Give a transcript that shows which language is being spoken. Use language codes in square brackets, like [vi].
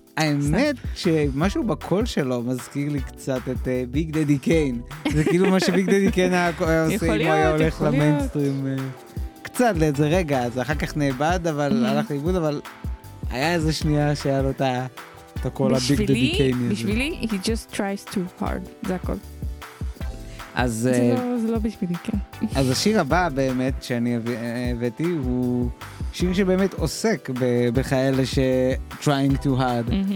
[he] האמת שמשהו בקול שלו מזכיר לי קצת את ביג דדי קיין. זה כאילו מה שביג דדי קיין היה עושה, אם הוא היה הולך למיינסטרים. קצת לאיזה רגע, אז אחר כך נאבד, אבל הלך לאיבוד, אבל היה איזה שנייה שהיה לו את הקול הביג דדי קיין. בשבילי, [en] he just tries too hard, [he] זה הכל. אז זה לא בשבילי, כן. אז השיר הבא באמת שאני הבאתי הוא שיר שבאמת עוסק בכאלה ש [en] trying too hard.